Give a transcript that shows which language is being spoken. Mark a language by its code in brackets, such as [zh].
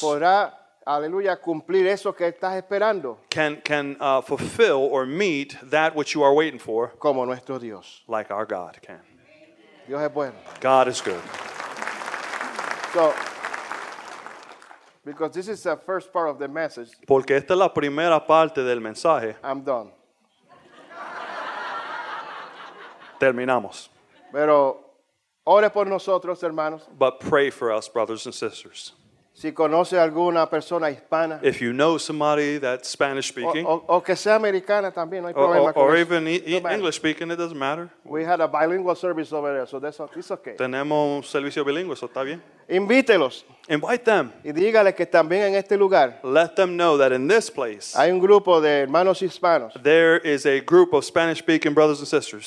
[es] Podrá, aleluya, cumplir eso que estás esperando. [en] Can fulfill or meet that which you are waiting for. [es] Como nuestro Dios. [en] Like our God can. [es] Dios es bueno. [en] God is good. So, because this is the first part of the message. [es] Porque esta es la primera parte del mensaje. [en] I'm done. [es] Terminamos. Pero ore por nosotros, hermanos. [en] But pray for us, brothers and sisters. [es] Si conoce alguna persona hispana. [en] If you know somebody that's Spanish speaking. [es] O que sea americana también, no hay problema con eso. [en] Or even English speaking, it doesn't matter. We had a bilingual service over there, so that's okay. [es] Tenemos un servicio bilingüe, eso está bien. Invítelos. [en] Invite them. [es] Y dígale que también en este lugar. [en] Let them know that in this place. [es] Hay un grupo de hermanos hispanos. [en] There is a group of Spanish-speaking brothers and sisters.